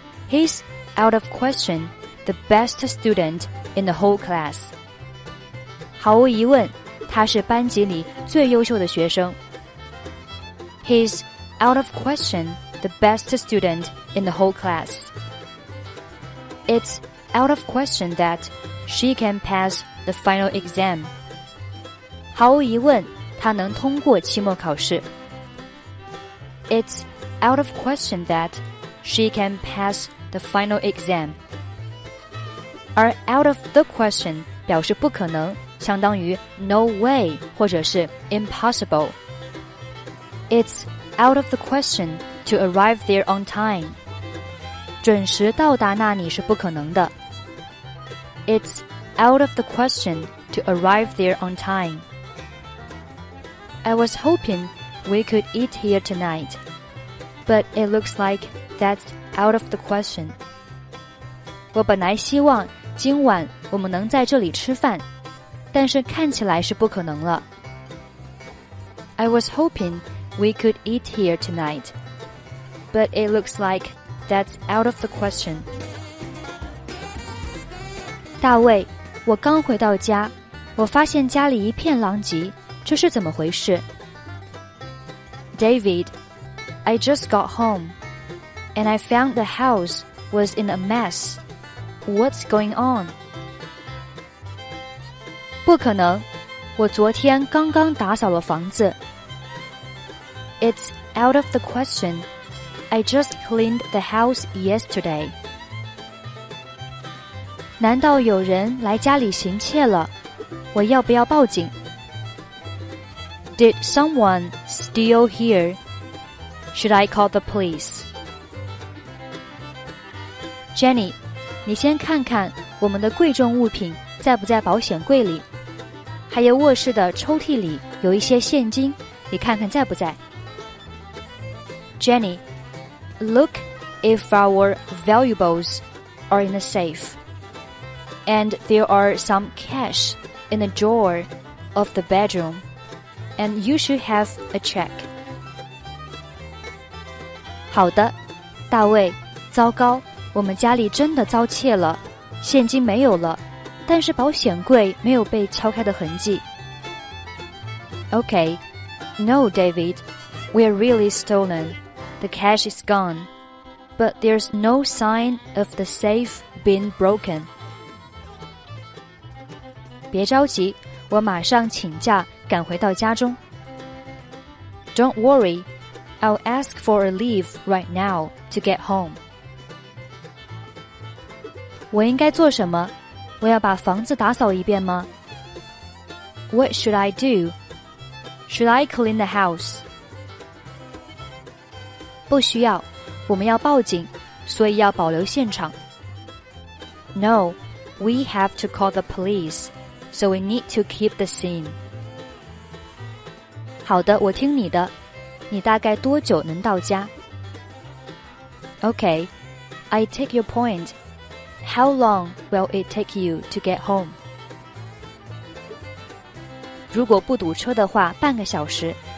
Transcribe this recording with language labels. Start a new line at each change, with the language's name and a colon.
English: He's out of question the best student in the whole class。
Chinese: 毫无疑问，他是班级里最优秀的学生。
English: He's out of question the best student in the whole class。 It's out of question that she can pass the final exam。
Chinese: 毫无疑问，她能通过期末考试。
English: It's out of question that she can pass the final exam。
Chinese: 而
English: out of the question
Chinese: 表示不可能，相当于
English: no way
Chinese: 或者是
English: impossible。 It's out of the question to arrive there on time。
Chinese: 准时到达那里是不可能的。
English: It's out of the question to arrive there on time。 I was hoping we could eat here tonight, but it looks like that's out of the question。
Chinese: 我本来希望今晚我们能在这里吃饭，但是看起来是不可能了。
English: I was hoping we could eat here tonight, but it looks like that's out of the question。
Chinese: 大卫，我刚回到家，我发现家里一片狼藉，这是怎么回事？
English: David, I just got home, and I found the house was in a mess. What's going on?
Chinese: 不可能，我昨天刚刚打扫了房子。
English: It's out of the question. I just cleaned the house yesterday.
Chinese: 难道有人来家里行窃了？我要不要报警？
English: Did someone steal here? Should I call the police?
Chinese: Jenny, 你先看看我们的贵重物品在不在保险柜里，还有卧室的抽屉里有一些现金，你看看在不在。
English: Jenny, look if our valuables are in the safe. And there are some cash in the drawer of the bedroom. And you should have a check.
Chinese: 好的，大卫，糟糕，我们家里真的遭窃了，现金没有了，但是保险柜没有被敲开的痕迹。
English: Okay, no, David, we're really stolen. The cash is gone. But there's no sign of the safe being broken.
Chinese: 别着急，我马上请假赶回到家中。
English: Don't worry, I'll ask for a leave right now to get home.
Chinese: 我应该做什么？我要把房子打扫一遍吗？
English: What should I do? Should I clean the house?
Chinese: 不需要，我们要报警，所以要保留现场。
English: No, we have to call the police. So we need to keep the scene.
Chinese: 好的，我听你的。你大概多久能到家？
English: Okay, I take your point. How long will it take you to get home?
Chinese: 如果不堵车的话，半个小时。